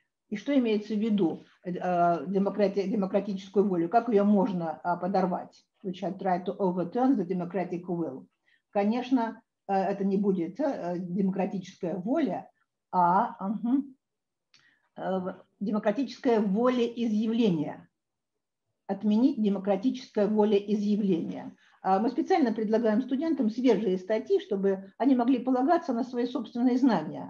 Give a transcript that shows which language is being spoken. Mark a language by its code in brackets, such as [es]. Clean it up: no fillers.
[ru] И что имеется в виду демократическую волю? Как ее можно подорвать? [en] Which I try to overturn the democratic will. [ru] Конечно, это не будет демократическая воля, а демократическая волеизъявление. Отменить демократическое волеизъявление. Мы специально предлагаем студентам свежие статьи, чтобы они могли полагаться на свои собственные знания.